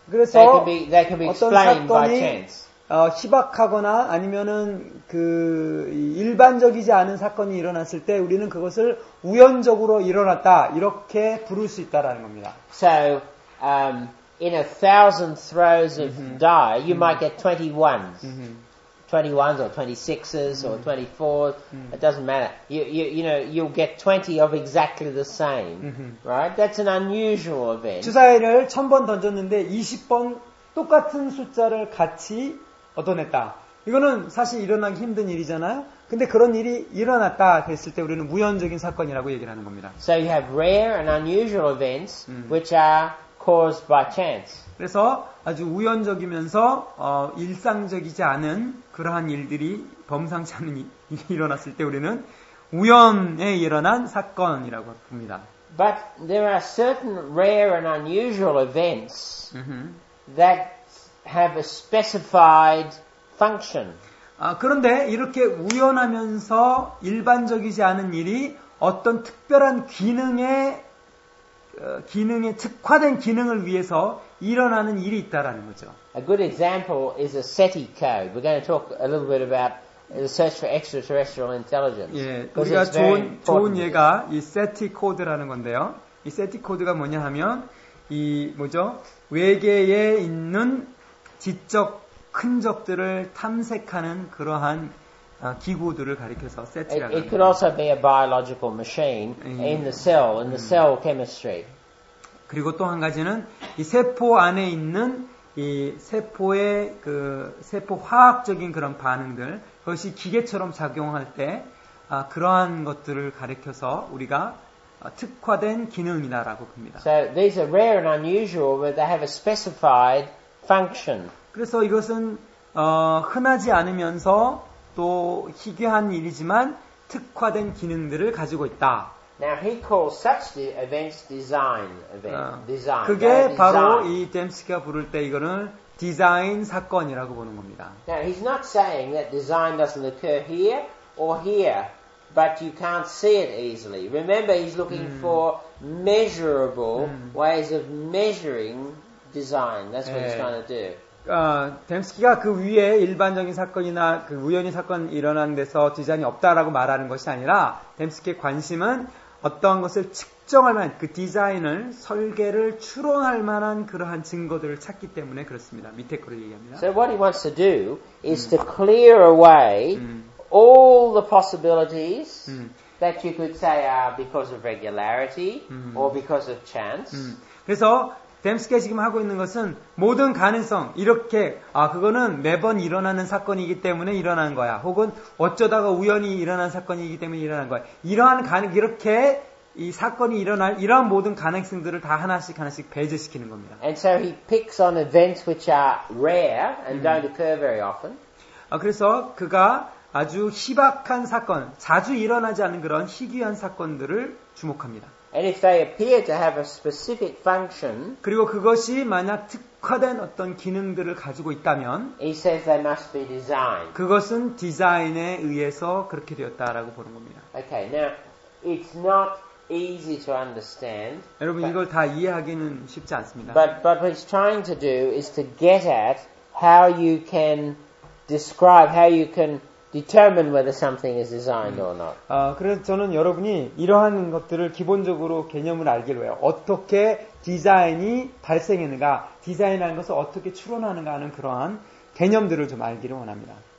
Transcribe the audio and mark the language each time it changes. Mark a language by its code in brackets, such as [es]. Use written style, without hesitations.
[en] They can be explained by chance. [ko] 희박하거나 아니면은 그 일반적이지 않은 사건이 일어났을 때 우리는 그것을 우연적으로 일어났다 이렇게 부를 수 있다라는 겁니다. [en] So in 1,000 throws of die, you might get 21s. 21s or 26s or 24s, it doesn't matter. You'll get 20 of exactly the same, right? That's an unusual event. [ko] 주사위를 1,000번 던졌는데 20번 똑같은 숫자를 같이 얻어냈다. 이거는 사실 일어나기 힘든 일이잖아요. 근데 그런 일이 일어났다 됐을 때 우리는 우연적인 사건이라고 얘기를 하는 겁니다. [en] So you have rare and unusual events which are caused by chance. [ko] 그래서 아주 우연적이면서 일상적이지 않은 그러한 일들이 범상치 않은 일이 일어났을 때 우리는 우연에 일어난 사건이라고 봅니다. [en] But there are certain rare and unusual events that have a specified function. [ko] 그런데 이렇게 우연하면서 일반적이지 않은 일이 어떤 특별한 기능에 특화된 기능을 위해서 일어나는 일이 있다라는 거죠. [en] A good example is a SETI code. We're going to talk a little bit about the search for extraterrestrial intelligence. [ko] 예, 우리가 좋은 예가 이 SETI 코드라는 건데요. 이 SETI 코드가 뭐냐 하면 이 뭐죠? 외계에 있는 지적 흔적들을 탐색하는 그러한 기구들을 가리켜서 세트라고 합니다. [en] It could also be a biological machine in the cell, in the cell chemistry. [ko] 그리고 또 한 가지는 이 세포 안에 있는 이 세포의 그 세포 화학적인 그런 반응들, 그것이 기계처럼 작용할 때 그러한 것들을 가리켜서 우리가 특화된 기능이다라고 봅니다. [en] So these are rare and unusual, but they have a specified function. [ko] 그래서 이것은 흔하지 않으면서 또 희귀한 일이지만 특화된 기능들을 가지고 있다. [en] Now he calls such the events design design. [ko] 그게 바로 이 댐스키가 부를 때 이거는 디자인 사건이라고 보는 겁니다. [en] Now he's not saying that design doesn't occur here or here, but you can't see it easily. Remember, he's looking for measurable ways of measuring design. That's what he's trying to do. [ko] 댐스키가 그 위에 일반적인 사건이나 그 우연히 사건 일어난 데서 디자인이 없다라고 말하는 것이 아니라 댐스키의 관심은 어떠한 것을 측정할 만한 그 디자인을 설계를 추론할 만한 그러한 증거들을 찾기 때문에 그렇습니다. 밑에 거를 얘기합니다. [en] So what he wants to do is to clear away all the possibilities that you could say are because of regularity or because of chance. [ko] 그래서 뎀스키가 지금 하고 있는 것은 모든 가능성 이렇게 아 그거는 매번 일어나는 사건이기 때문에 일어난 거야. 혹은 어쩌다가 우연히 일어난 사건이기 때문에 일어난 거야. 이러한 가능 이렇게 이 사건이 일어날 이러한 모든 가능성들을 다 하나씩 하나씩 배제시키는 겁니다. [en] And so he picks on events which are rare and don't occur very often. [ko] 아 그래서 그가 아주 희박한 사건, 자주 일어나지 않는 그런 희귀한 사건들을 주목합니다. [en] And if they appear to have a specific function, [ko] 그리고 그것이 만약 특화된 어떤 기능들을 가지고 있다면, [en] he says they must be designed. [ko] 그것은 디자인에 의해서 그렇게 되었다라고 보는 겁니다. [en] Okay, now it's not easy to understand. [ko] 여러분 이걸 다 이해하기는 쉽지 않습니다. [en] But what he's trying to do is to get at how you can describe, how you can determine whether something is designed or not. [ko] 그래서 저는 여러분이 이러한 것들을 기본적으로 개념을 알기로 해요. 어떻게 디자인이 발생했는가, 디자인이라는 것을 어떻게 추론하는가 하는 그러한 개념들을 좀 알기를 원합니다.